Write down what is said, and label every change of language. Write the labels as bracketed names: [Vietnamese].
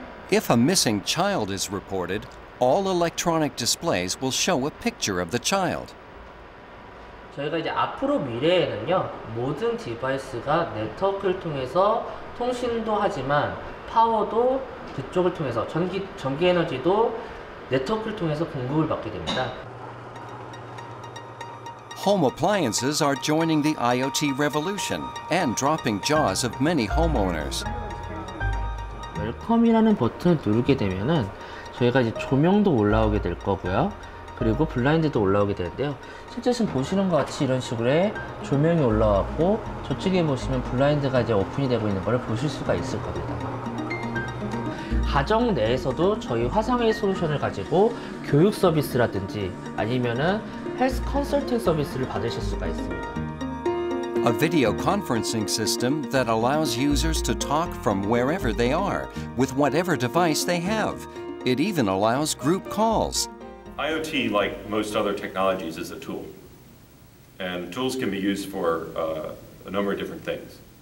[English] If a missing child is reported, all electronic displays will show a picture of the child. [Korean] 저희가 이제 앞으로 미래에는요, 모든 디바이스가 네트워크를 통해서 통신도 하지만 파워도 그쪽을 통해서 전기 에너지도 네트워크를 통해서 공급을 받게 됩니다. [English] Home appliances are joining the IoT revolution and dropping jaws of many homeowners. [Korean] 웰컴이라는 버튼을 누르게 되면은 저희가 이제 조명도 올라오게 될 거고요. 그리고 블라인드도 올라오게 되는데요. 실제 지금 보시는 것 같이 이런 식으로 조명이 올라왔고 저쪽에 보시면 블라인드가 이제 오픈이 되고 있는 걸 보실 수가 있을 겁니다. 가정 내에서도 저희 화상회의 솔루션을 가지고 교육 서비스라든지 아니면은 헬스 컨설팅 서비스를 받으실 수가 있습니다. [English] A video conferencing system that allows users to talk from wherever they are with whatever device they have. It even allows group calls. IoT, like most other technologies, is a tool. And tools can be used for a number of different things.